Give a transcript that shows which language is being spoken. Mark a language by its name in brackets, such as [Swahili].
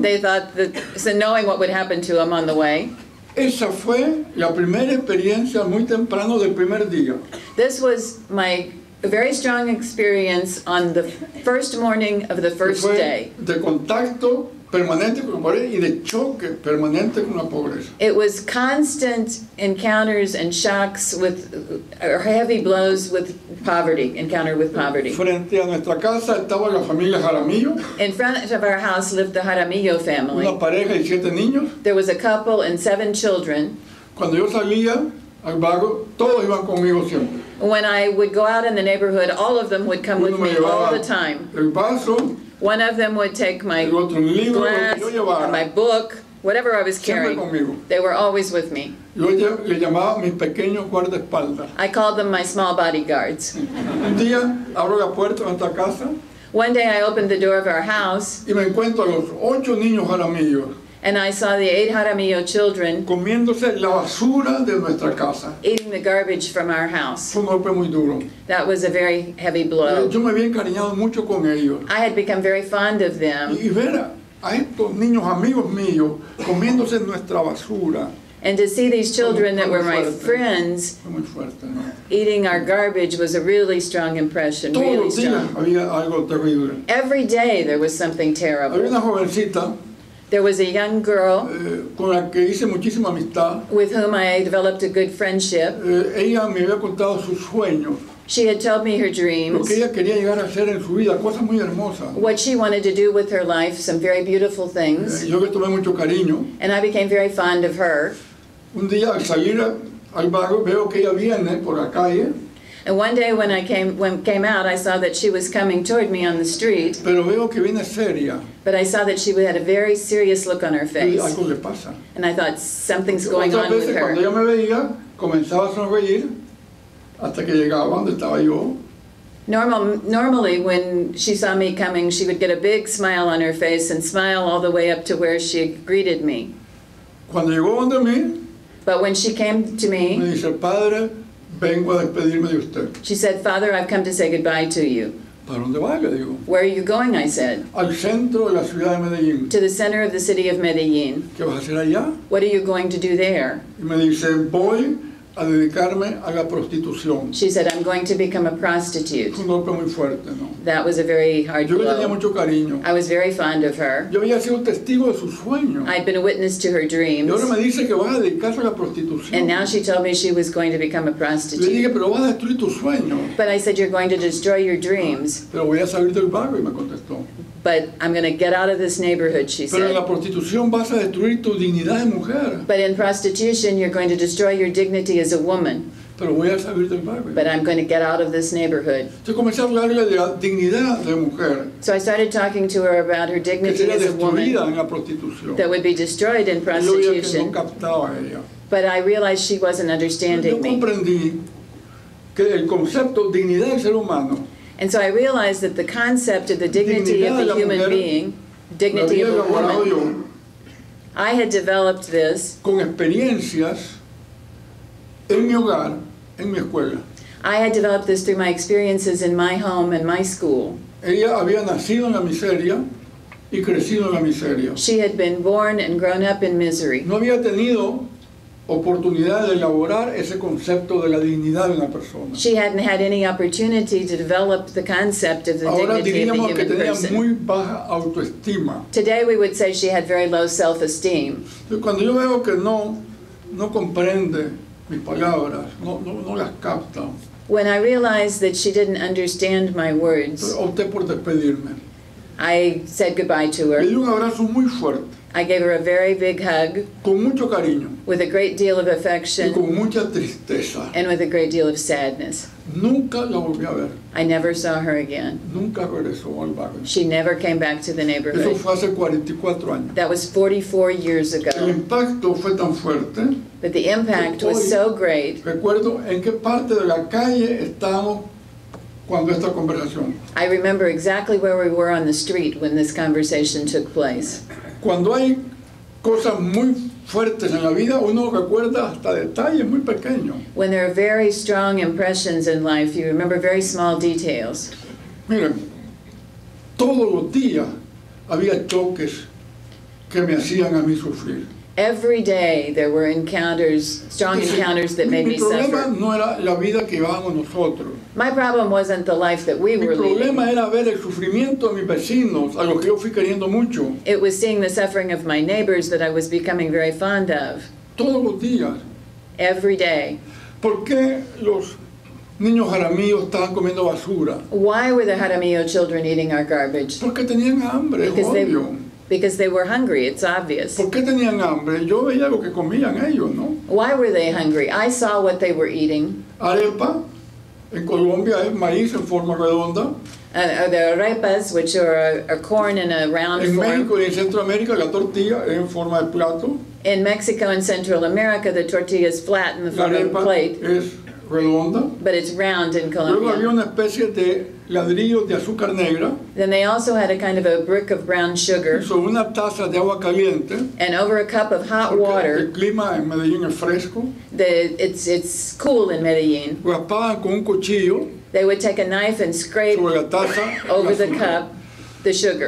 [English] They thought that, so knowing what would happen to them on the way. [Spanish] Esa fue la primera experiencia muy temprano del primer día. [English] This was my very strong experience on the first morning of the first day. [Spanish] De contacto permanente con la pobreza y de choque permanente con la pobreza. [English] It was constant encounters and shocks with, or heavy blows with poverty, encountered with poverty. [Spanish] Frente a nuestra casa estaba la familia Jaramillo. [English] In front of our house lived the Jaramillo family. [Spanish] Una pareja y siete niños. [English] There was a couple and seven children. [Spanish] Cuando yo salía al barrio, todos iban conmigo siempre. [English] When I would go out in the neighborhood, all of them would come [Spanish] Uno [English] with me all the time. [Spanish] El vaso. [English] One of them would take my glass, my book, whatever I was carrying. They were always with me. [Spanish] Yo le llamaba mis pequeños guardaespaldas. [English] I called them my small bodyguards. [Spanish] Un día, abro la puerta de nuestra casa. [English] One day I opened the door of our house. [Spanish] Y me encuentro a los ocho niños jaramillos. [English] And I saw the eight Jaramillo children [Spanish] comiéndose la basura de nuestra casa. [English] Eating the garbage from our house. [Spanish] Fue un golpe muy duro. [English] That was a very heavy blow. [Spanish] Yo me había encariñado mucho con ellos. [English] I had become very fond of them. [Spanish] Y ver a estos niños amigos míos comiéndose nuestra basura. [English] And to see these children that were my friends eating our garbage was a really strong impression, really strong. [Spanish] Había algo terrible. [English] Every day there was something terrible. [Spanish] Había una jovencita. [English] There was a young girl [Spanish] con la que hice muchísima amistad, [English] with whom I developed a good friendship. [Spanish] Ella me había contado sus sueños. [English] She had told me her dreams. [Spanish] Lo que ella quería llegar a hacer en su vida, cosas muy hermosas. [English] What she wanted to do with her life, some very beautiful things. [Spanish] Yo le tomé mucho cariño. [English] And I became very fond of her. [Spanish] Un día al salir al barrio veo que ella viene por la calle. [English] And one day when I came out, I saw that she was coming toward me on the street. [Spanish] Pero veo que viene seria. [English] But I saw that she had a very serious look on her face. [Spanish] Y algo le pasa. [English] And I thought, something's going on with her. [Spanish] Cuando ella me veía, comenzaba a sonreír hasta que llegaba donde estaba yo. [English] Normally, when she saw me coming, she would get a big smile on her face and smile all the way up to where she greeted me. [Spanish] Cuando llegó donde mí, [English] but when she came to me, [Spanish] me dice, Padre, vengo a despedirme de usted. [English] She said, Father, I've come to say goodbye to you. [Spanish] ¿Para dónde va? Le digo. [English] Where are you going? I said. [Spanish] Al centro de la ciudad de Medellín. [English] To the center of the city of Medellín. [Spanish] ¿Qué vas a hacer allá? [English] What are you going to do there? [Spanish] Y me dice, voy a dedicarme a la prostitución. [English] She said, I'm going to become a prostitute. [Spanish] Fue un golpe muy fuerte, ¿no? [English] That was a very hard blow. [Spanish] Yo le tenía mucho cariño. [English] I was very fond of her. [Spanish] Yo había sido testigo de su sueño. [English] I'd been a witness to her dreams. [Spanish] Y ahora me dice que vas a dedicarse a la prostitución. [English] And now she told me she was going to become a prostitute. [Spanish] Le dije, pero vas a destruir tu sueño. [English] But I said, you're going to destroy your dreams. [Spanish] Pero voy a salir del barrio, y me contestó. [English] But I'm going to get out of this neighborhood, she [Spanish] pero [English] said. [Spanish] En la prostitución vas a destruir tu dignidad de mujer. [English] But in prostitution, you're going to destroy your dignity as a woman. [Spanish] pero voy a salir del barrio. [English] But I'm going to get out of this neighborhood. [Spanish] Entonces comencé a hablarle de la dignidad de mujer. [English] So I started talking to her about her dignity [Spanish] que sería [English] as a woman. [Spanish] Destruida en la prostitución. [English] That would be destroyed in prostitution. [Spanish] Que no captaba a ella. [English] But I realized she wasn't understanding me. [Spanish] Yo comprendí que el concepto de dignidad del ser humano. [English] And so I realized that the concept of the dignity of the human being, dignity of a woman, I had developed this [Spanish] con experiencias en mi hogar, en mi escuela. [English] I had developed this through my experiences in my home and my school. [Spanish] Ella había nacido en la miseria y crecido en la miseria. [English] She had been born and grown up in misery. [Spanish] No había tenido oportunidad de elaborar ese concepto de la dignidad de una persona. [English] She hadn't had any opportunity to develop the concept of the [Spanish] Ahora, [English] dignity of the human [Spanish] que tenía [English] person. [Spanish] Muy baja autoestima. [English] Today we would say she had very low self-esteem. [Spanish] Cuando yo veo que no comprende mis palabras, no las capta. [English] When I realized that she didn't understand my words, [Spanish] opté por despedirme. [English] I said goodbye to her. [Spanish] Le di un abrazo muy fuerte. [English] I gave her a very big hug [Spanish] con mucho cariño, [English] with a great deal of affection [Spanish] y con mucha tristeza, [English] and with a great deal of sadness. [Spanish] Nunca la volví a ver. [English] I never saw her again. [Spanish] Nunca regresó al barrio. [English] She never came back to the neighborhood. [Spanish] Eso fue hace 44 años. [English] That was 44 years ago. [Spanish] El impacto fue tan fuerte, [English] but the impact was so great. [Spanish] Recuerdo en qué parte de la calle estábamos. [English] I remember exactly where we were on the street when this conversation took place. [Spanish] Cuando hay cosas muy fuertes en la vida, uno recuerda hasta detalles muy pequeños. [English] When there are very strong impressions in life, you remember very small details. [Spanish] Miren, todos los días había choques que me hacían a mí sufrir. [English] Every day there were encounters, strong encounters that made me suffer. [Spanish] Mi problema no era la vida que llevábamos nosotros. [English] My problem wasn't the life that we were leading. [Spanish] Mi problema era ver el sufrimiento de mis vecinos, a los que yo fui queriendo mucho. [English] It was seeing the suffering of my neighbors that I was becoming very fond of. [Spanish] Todos los días. [English] Every day. [Spanish] ¿Por qué los niños jaramillos estaban comiendo basura? [English] Why were the jaramillo children eating our garbage? [Spanish] Porque tenían hambre, es obvio. [English] Because they were hungry, it's obvious. [Spanish] ¿Por qué tenían hambre? Yo veía lo que comían ellos, ¿no? [English] Why were they hungry? I saw what they were eating. [Spanish] Arepa, en Colombia es maíz en forma redonda. [English] The arepas, which are a corn in a round [Spanish] en [English] form. [Spanish] En México y en Centroamérica la tortilla es en forma de plato. [English] In Mexico and Central America, the tortilla is flat in the form of a plate. [Spanish] La arepa es redonda. [English] But it's round in Colombia. [Spanish] Luego había una especie de ladrillo de azúcar negra. [English] Then they also had a kind of a brick of brown sugar. [Spanish] Sobre una taza de agua caliente. [English] And over a cup of hot water. [Spanish] El clima en Medellín es fresco. [English] It's cool in Medellín. [Spanish] Raspaban con un cuchillo. [English] They would take a knife and scrape [Spanish] sobre la taza, [English] over the cup, the sugar.